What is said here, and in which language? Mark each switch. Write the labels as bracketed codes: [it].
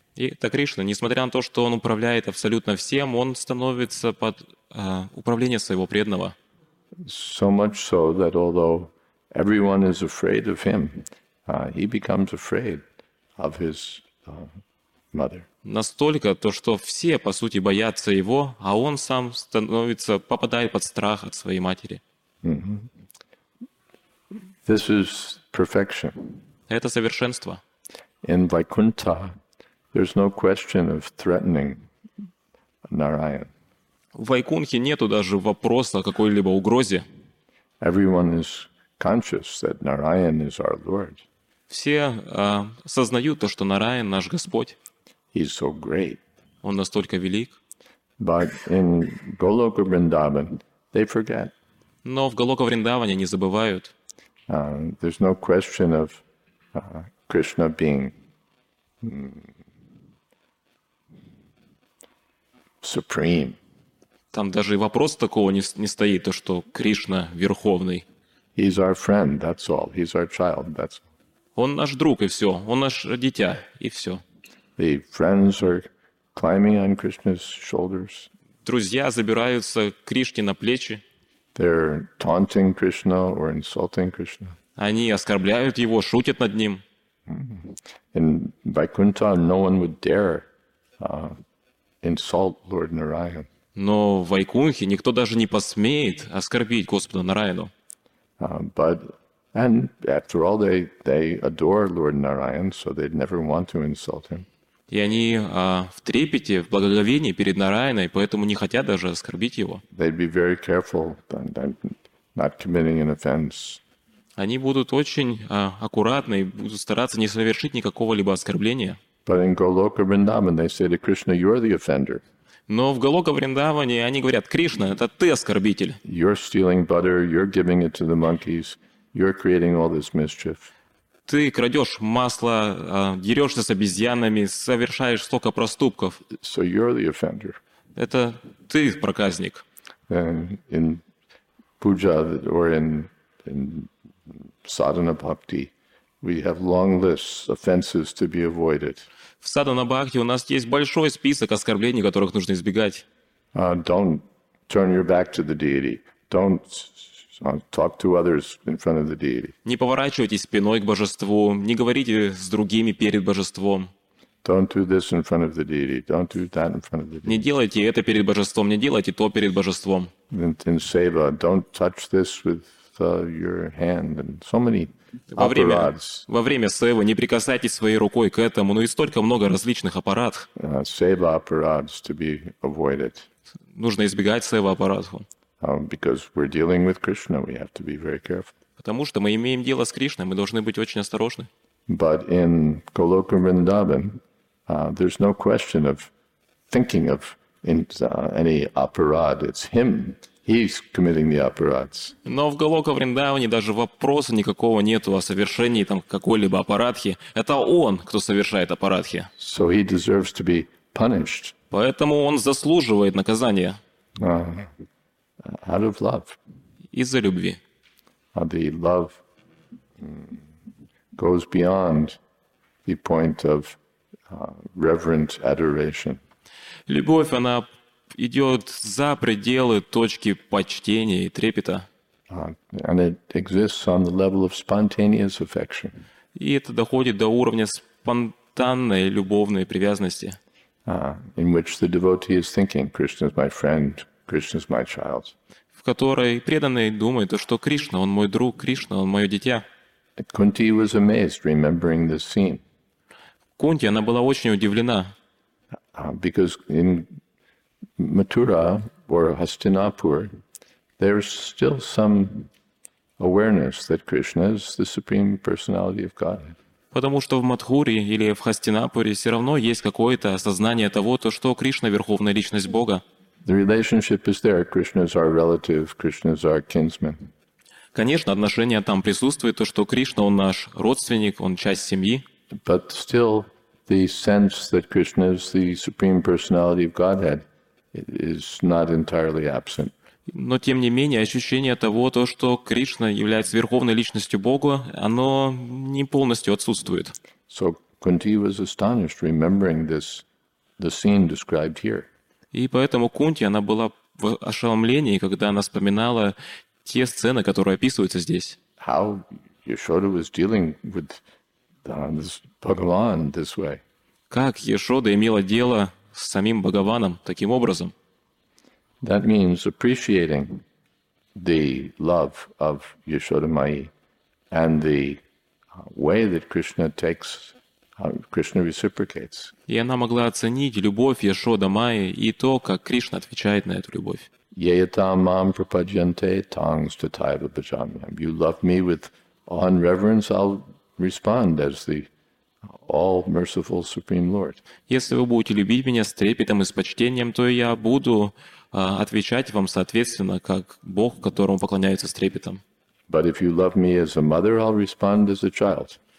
[ru] И это Кришна, несмотря на то, что он управляет абсолютно всем, он становится под управление своего преданного. [en] So much so that although everyone is afraid of him, he becomes afraid of his mother. [ru] Настолько то, что все, по сути, боятся его, а он сам становится, попадает под страх от своей матери. [en] Mm-hmm. This is perfection. [ru] Это совершенство. [en] In Vaikuntha, there's no question of threatening Narayan. [ru] В Вайкунхе нету даже вопроса о какой-либо угрозе. [en] Everyone is conscious that Narayan is our Lord. [ru] Все сознают то, что Нараян наш Господь. [en] He's so great. [ru] Он настолько велик. [en] But in Goloka Vrindavan, they forget. [ru] Но в Голока Вриндаване они забывают. [en] There's no question of Krishna being supreme. [ru] Там даже и вопрос такого не стоит, то что Кришна верховный. [en] He's our friend, that's all. He's our child, that's all. [ru] Он наш друг и все. Он наш дитя и все. [en] The friends are climbing on Krishna's shoulders. [ru] Друзья забираются Кришне на плечи. [en] They're taunting Krishna or insulting Krishna. [ru] Они оскорбляют его, шутят над ним. [en] In Vaikuntha, no one would dare insult Lord Narayan. [ru] Но в Вайкунхе никто даже не посмеет оскорбить Господа Нараяну. [en] But and after all, they adore Lord Narayan, so they'd never want to insult him. [ru] И они в трепете, в благоговении перед Нараяной, поэтому не хотят даже оскорбить его. [en] They'd be very careful not committing an offense. [ru] Они будут очень аккуратны и будут стараться не совершить никакого либо оскорбления. [en] But in Goloka Vrindavan, they say to Krishna, "You're the offender." [ru] Но в Голока Вриндаване они говорят: Кришна, это ты оскорбитель. [en] You're stealing butter, you're giving it to the monkeys, you're creating all this mischief. [ru] Ты крадешь масло, дерешься с обезьянами, совершаешь столько проступков. [en] So you're the offender. [ru] Это ты проказник. [en] In puja or in sadhana bhakti, we have long lists of offenses to be avoided. [ru] В садхана-бхакти у нас есть большой список оскорблений, которых нужно избегать. [en] Don't turn your back to the deity. Don't talk to others in front of the deity. [ru] Не поворачивайтесь спиной к божеству, не говорите с другими перед божеством. [en] Don't do this in front of the deity. Don't do that in front of the deity. [ru] Не делайте это перед божеством, не делайте то перед божеством. [en] In seva, don't touch this with your hand and so many. [ru] Во время севы не прикасайтесь своей рукой к этому, но и столько много различных аппаратов. [en] Seva apparatus to be avoided. [ru] Нужно избегать сева аппаратов. [en] Because we're dealing with Krishna, we have to be very careful. [ru] Потому что мы имеем дело с Кришной, мы должны быть очень осторожны. [en] But in Goloka Vrindavan, there's no question of thinking of any apparat. It's him. He's committing the apparats. [ru] Но в Голока Вриндаване даже вопроса никакого нету о совершении там какой-либо апаратхи. Это он, кто совершает апаратхи. [en] So he deserves to be punished. [ru] Поэтому он заслуживает наказания. [en] Out of love. [ru] Из-за любви. [en] The love goes beyond the point of reverent adoration. [ru] Любовь, она идет за пределы точки почтения и трепета. [en] And it exists on the level of spontaneous affection. [ru] И это доходит до уровня спонтанной любовной привязанности. [en] In which the devotee is thinking, Krishna is my friend, Krishna is my child. [ru] В которой преданный думает, что Кришна, он мой друг, Кришна, он мое дитя. [en] Kunti was amazed remembering this scene. [ru] Кунти, она была очень удивлена. [en] Because in Mathura or Hastinapur, there's still some awareness that Krishna is the supreme personality of Godhead. [ru] Потому что в Матхуре или в Хастинапуре все равно есть какое-то осознание того, то что Кришна верховная личность Бога. [en] The relationship is there. Krishna is our relative. Krishna is our kinsman. [ru] Конечно, отношение там присутствует, то что Кришна он наш родственник, он часть семьи. [en] But still, the sense that Krishna is the supreme personality of Godhead is not entirely absent. [ru] Но тем не менее ощущение того, то что Кришна является верховной личностью Бога, оно не полностью отсутствует. [en] So Kunti was astonished remembering this, the scene described here. [ru] И поэтому Кунти она была в ошеломлении, когда она вспоминала те сцены, которые описываются здесь. [en] How Yashoda was dealing with this Bhagavan this way? [ru] Как Яшода имела дело с самим Бхагаваном таким образом? [en] That means appreciating the love of Yashodamayi and the way that Krishna takes, Krishna reciprocates. [ru] И она могла оценить любовь Яшодамайи и то, как Кришна отвечает на эту любовь. [sa] Yeyatam mam prapadyante tangs tathaiva bhajamyam. [en] You love me with awe and reverence, I'll respond as the All Merciful Supreme Lord. [ru] Если вы будете любить меня с трепетом и с почтением, то я буду отвечать вам соответственно, как Бог, которому поклоняются с трепетом. [en] But if you love me as a mother, I'll respond as a child.